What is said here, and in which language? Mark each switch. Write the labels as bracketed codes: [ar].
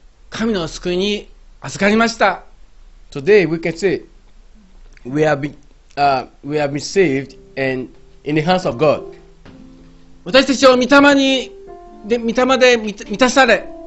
[ja] 神の救いに預かりました。 [en] Today we can say we have been saved and in the hands of God. [ja] 私たちを御霊で満たされ。